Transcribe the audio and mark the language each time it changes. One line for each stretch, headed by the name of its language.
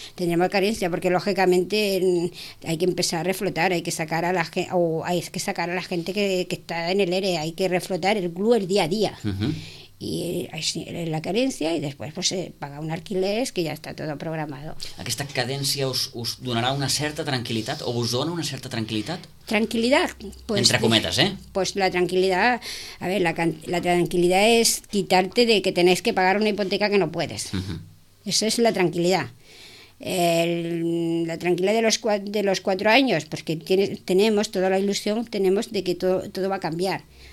Spanish: Tendremos carencia porque, lógicamente, hay que empezar a reflotar, hay que sacar a la gente que está en el ERE, hay que reflotar el club el día a día. Uh-huh. Y es la carencia y después pues se paga un alquiler que ya está todo programado.
Catalan: ¿Aquesta cadència us donarà una certa tranquil·litat o us dona una certa tranquil·litat?
Spanish: Tranquilidad, pues, entre cometas, ¿eh? Pues la tranquilidad, a ver, la tranquilidad es quitarte de que tenés que pagar una hipoteca que no puedes. Uh-huh. Esa es la tranquilidad. La tranquilidad de los 4 años, porque tenemos toda la ilusión, tenemos de que todo va a cambiar.